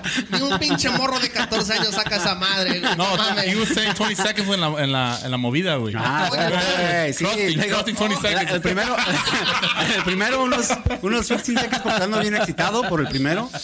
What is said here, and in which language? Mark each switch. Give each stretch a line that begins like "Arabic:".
Spanish: Ni un pinche morro de 14 años saca esa madre.
English: No, you were saying 20 seconds
Spanish: en la movida,
English: güey.
Spanish: Ah, hey, sí.
English: Crossing 20 seconds.
Spanish: El primero unos 15 seconds porque estando bien excitado por el primero.